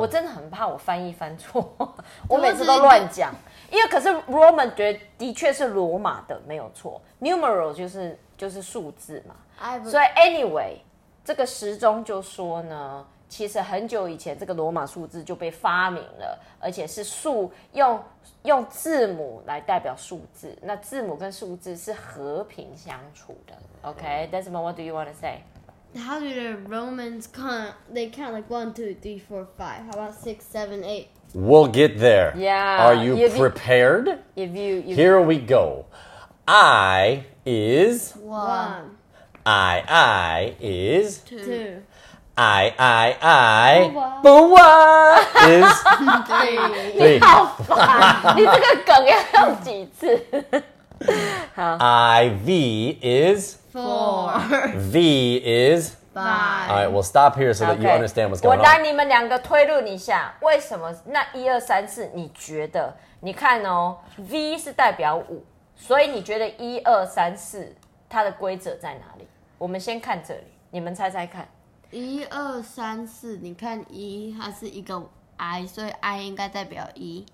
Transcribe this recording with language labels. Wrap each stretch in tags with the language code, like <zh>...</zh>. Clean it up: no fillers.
<zh>我真的很怕我翻译翻错，我每次都乱讲，因为可是 Roman 觉得的确是罗马的没有错， Numeral 就是数字嘛，所以 anyway 这个时钟就说呢，其实很久以前这个罗马数字就被发明了，而且是数 用字母来代表数字，那字母跟数字是和平相处的。</zh> <en>OK, Desmond, what do you want to say? How do the Romans count? They count like 1, 2, 3, 4, 5. How about 6, 7, 8? We'll get there. Yeah. Are you prepared? Here we go. I is 1. I is 2. I Bua. Bua is 3.</en> <zh>你好烦，你这个梗要用几次？</zh> <en>I V is 4. V is 5. All right, we'll stop here so that you understand what's going on.</en> <zh>我让你们两个推论一下，为什么那一二三四？你觉得？你看哦 ，V 是代表五，所以你觉得一二三四它的规则在哪里？我们先看这里，你们猜猜看。一二三四，你看一，它是一个 I， 所以 I 应该代表一。</zh>